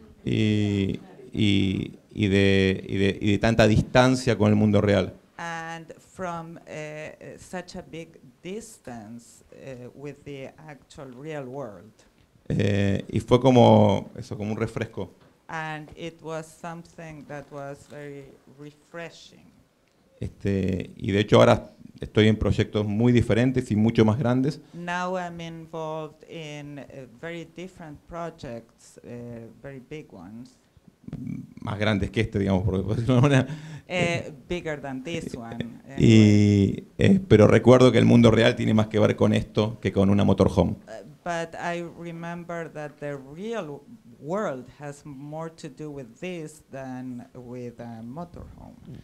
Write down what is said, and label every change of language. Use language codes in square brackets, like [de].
[es] Y de tanta distancia con el mundo real. [en] And from such a big distance with the actual real world. [es] Y fue como eso, como un refresco. [en] And it was something that was very refreshing. [es] Y de hecho ahora estoy en proyectos muy diferentes y mucho más grandes. [en] Now I'm involved in very different projects, very big ones. [es] Más grandes que este, digamos, por decirlo de una [en] bigger than this one. [es] Y, pero recuerdo que el mundo real tiene más que ver con esto que con una motorhome. [en] But I remember that the real world has more to do with this than with a motorhome.